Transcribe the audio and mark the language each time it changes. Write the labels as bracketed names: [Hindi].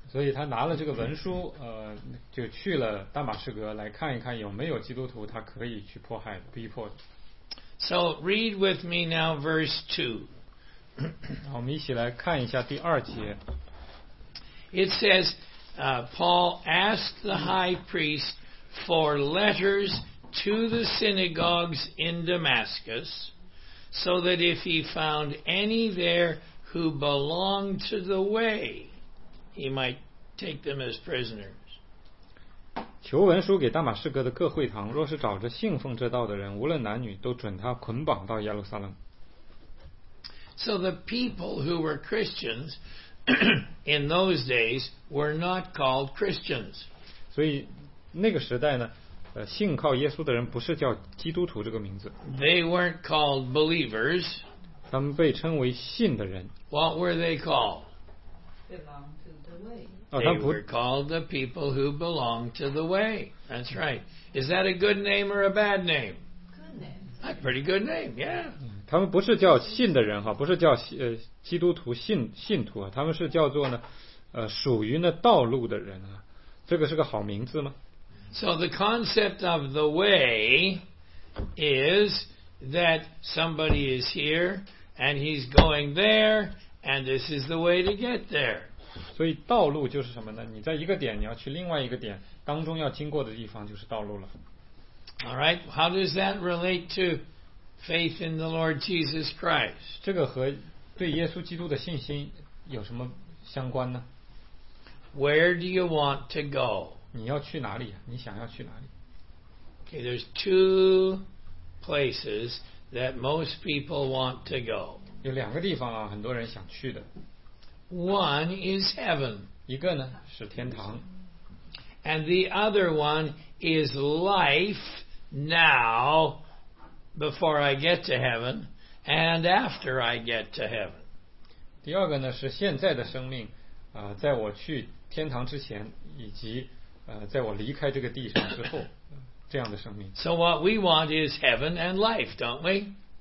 [Chinese] 所以他拿了这个文书，就去了大马士革来看一看有没有基督徒他可以去迫害逼迫的。 [English] So read with me now verse 2. [Chinese] 我们一起来看一下第二节。 [English] It says, Paul asked the high priest for letters to the synagogues in Damascus, so that if he found any there who belonged to the way,He might take them as prisoners. [Chinese] 求文书给大马士革的各会堂，若是找着信奉这道的人，无论男女，都准他捆绑到耶路撒冷。 [English] So the people who were Christians in those days were not called Christians. [Chinese] 所以那个时代呢，信靠耶稣的人不是叫基督徒这个名字。 [English] They weren't called believers. [Chinese] 他们被称为信的人。 [English] What were they called? They were called the people who belong to the way. That's right. Is that a good name or a bad name? Good name. A pretty good name, yeah. [Chinese] 他们不是叫信的人，不是叫基督徒信徒，他们是叫做呢，属于呢道路的人，这个是个好名字吗？ [English] So the concept of the way is that somebody is here and he's going there and this is the way to get there. [Chinese] 所以道路就是什么呢？你在一个点，你要去另外一个点，当中要经过的地方就是道路了。 [English] All right, how does that relate to faith in the Lord Jesus Christ? [Chinese] 这个和对耶稣基督的信心有什么相关呢？ [English] Where do you want to go? [Chinese] 你要去哪里？你想要去哪里？ [English] Okay, there's two places that most people want to go. [Chinese] 有两个地方啊，很多人想去的。 [English] One is heaven. [Chinese] 一个呢是天堂。 [English] And the other one is life now before I get to heaven and after I get to heaven. [Chinese] 第二个呢是现在的生命，在我去天堂之前以及在我离开这个地上之后这样的生命。 [English] So what we want is heaven and life, don't we?